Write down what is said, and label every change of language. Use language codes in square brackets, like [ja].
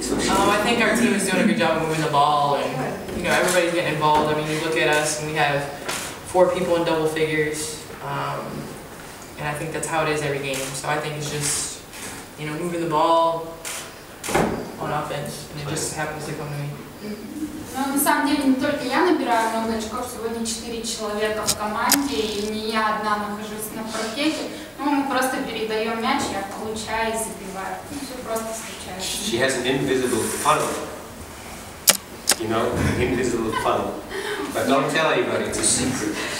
[en] I think our team is doing a good job moving the ball, and you know everybody's getting involved. I mean, you look at us, and we have four people in double figures, and I think that's how it is every game. So I think it's just you know moving the ball on offense, and it just happens to come to me. [ru] Ну, на самом деле, не только я набираю много очков, сегодня 4 человека в команде, и не я одна нахожусь на паркете. Ну, мы просто передаем мяч, я получаю и забиваю. Ну, все просто случается. [en] She has an invisible funnel. You know, an invisible funnel. But don't tell anybody, it's a secret.